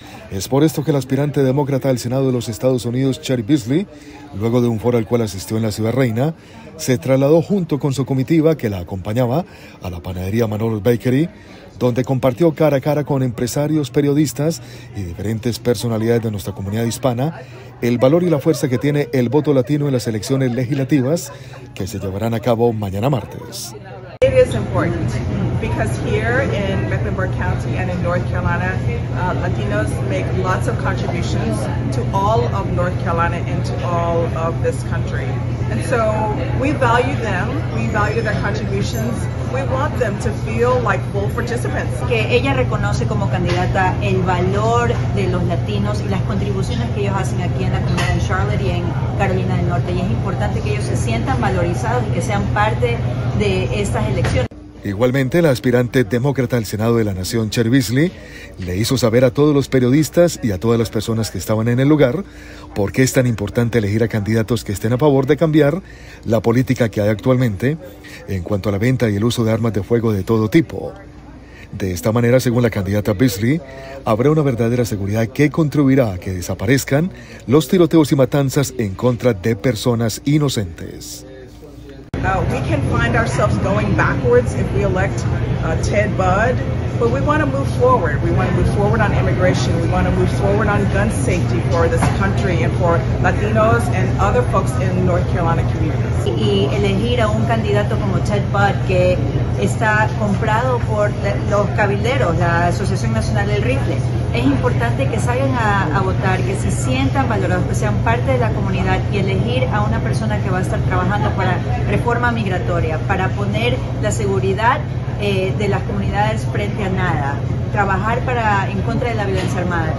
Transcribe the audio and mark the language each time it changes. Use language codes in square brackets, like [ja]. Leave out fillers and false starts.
[es] Es por esto que el aspirante demócrata al Senado de los Estados Unidos, Cherry Beasley, luego de un foro al cual asistió en la Ciudad Reina, se trasladó junto con su comitiva que la acompañaba a la panadería Manolo's Bakery, donde compartió cara a cara con empresarios, periodistas y diferentes personalidades de nuestra comunidad hispana el valor y la fuerza que tiene el voto latino en las elecciones legislativas que se llevarán a cabo mañana martes. [en] It is important because here in Mecklenburg County and in North Carolina, Latinos make lots of contributions to all of North Carolina and to all of this country. And so we value them, we value their contributions. We want them to feel like full participants. [es] Que ella reconoce como candidata el valor de los latinos y las contribuciones que ellos hacen aquí en la comunidad de Charlotte y en Carolina del Norte. Y es importante que ellos se sientan valorizados y que sean parte de estas elecciones. Igualmente, la aspirante demócrata al Senado de la Nación, Cherry Beasley, le hizo saber a todos los periodistas y a todas las personas que estaban en el lugar por qué es tan importante elegir a candidatos que estén a favor de cambiar la política que hay actualmente en cuanto a la venta y el uso de armas de fuego de todo tipo. De esta manera, según la candidata Beasley, habrá una verdadera seguridad que contribuirá a que desaparezcan los tiroteos y matanzas en contra de personas inocentes. [en] We can find ourselves going backwards if we elect Ted Budd, but we want to move forward. We want to move forward on immigration. We want to move forward on gun safety for this country and for Latinos and other folks in North Carolina communities. [es] Y elegir a un candidato como Ted Budd, que está comprado por los cabilderos, la Asociación Nacional del Rifle, es importante que salgan a votar, que se sientan valorados, que sean parte de la comunidad, y elegir a una persona que va a estar trabajando para reforma migratoria, para poner la seguridad de las comunidades frente a nada, trabajar para en contra de la violencia armada.